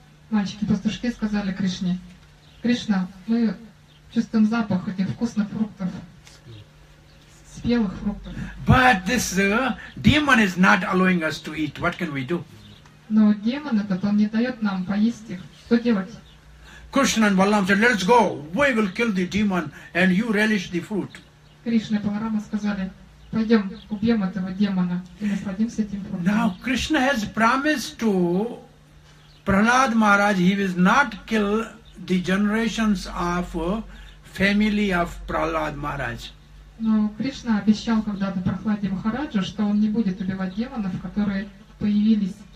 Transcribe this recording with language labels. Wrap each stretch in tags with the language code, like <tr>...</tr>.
<ru>Мальчики-пастушки сказали Кришне, Кришна, мы чувствуем запах этих вкусных фруктов, спелых фруктов.</ru> <en>But this demon is not allowing us to eat. What can we do?</en> <ru>Но демон этот, он не дает нам поесть их. Что делать?</ru> <en>Krishna and Balaram said, let's go, we will kill the demon and you relish the fruit.</en> <ru>Krishna and Balaram сказали, пойдем убьем этого демона и насладимся этим фруктом.</ru> <en>Now Krishna has promised to Prahlad Maharaj, he will not kill the generations of family of Prahlad Maharaj.</en> <ru>Но Krishna обещал когда-то Прахладе Махараджу, что он не будет убивать демонов, которые появились.</ru>